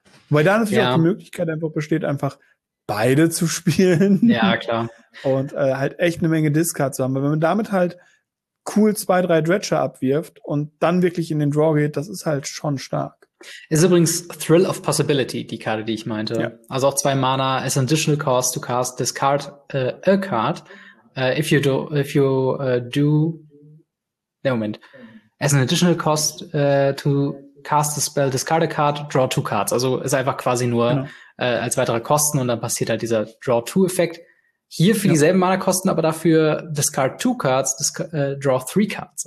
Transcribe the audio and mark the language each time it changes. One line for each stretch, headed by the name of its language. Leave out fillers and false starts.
German: Weil da natürlich auch die Möglichkeit einfach besteht, einfach beide zu spielen. Ja, klar. Und halt echt eine Menge Discard zu haben. Weil wenn man damit halt cool 2, 3 Dredger abwirft und dann wirklich in den Draw geht, das ist halt schon stark. Ist übrigens Thrill of Possibility, die Karte, die ich meinte. Ja. Also auch 2 Mana,
English: as an additional cost to cast, discard a card. As an additional cost to cast a spell, discard a card, draw 2 cards.
German: Also ist einfach quasi nur als weitere Kosten und dann passiert halt dieser Draw-2-Effekt. Hier für dieselben Mana-Kosten, aber dafür
English: discard 2 Cards, draw 3 Cards.